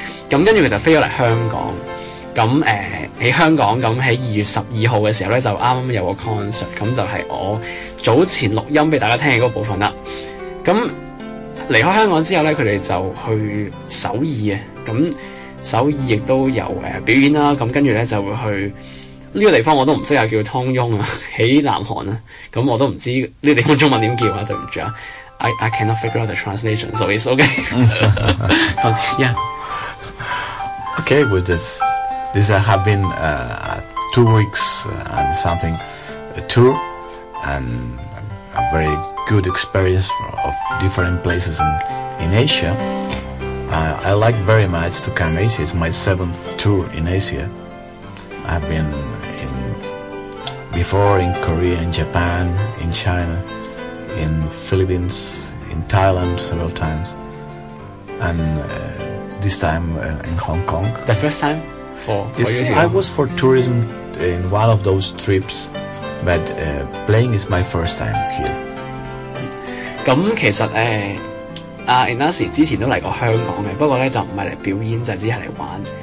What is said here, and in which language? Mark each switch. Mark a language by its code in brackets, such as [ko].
[yue] 咁跟住佢就飛咗嚟香港，咁喺香港，咁喺2月12號嘅時候咧，就啱啱有個 concert， 咁就係我早前錄音俾大家聽嘅嗰部分啦。咁離開香港之後咧，佢哋就去首爾啊，咁首爾亦都有表演啦。咁跟住咧就會去呢、這個地方，我都唔識啊，叫湯翁啊，喺南韓啊。咁我都唔知呢個地方中文點叫啊，對唔住啊。 [en] I cannot figure out the translation, so it's okay. yeah. Okay, with this have been a 2 weeks and something a tour, and a very good experience of different places in Asia. I like very much to come to Asia. It's my 7th tour in Asia. I've been before in Korea, in Japan, in China, in Philippines, in Thailand several times, and this time in Hong Kong. The first time for you? I was for tourism in one of those trips, but playing is my first time here. [yue] 咁其實Ignas 之前都嚟過香港嘅，不過咧就唔係嚟表演，就只係嚟玩。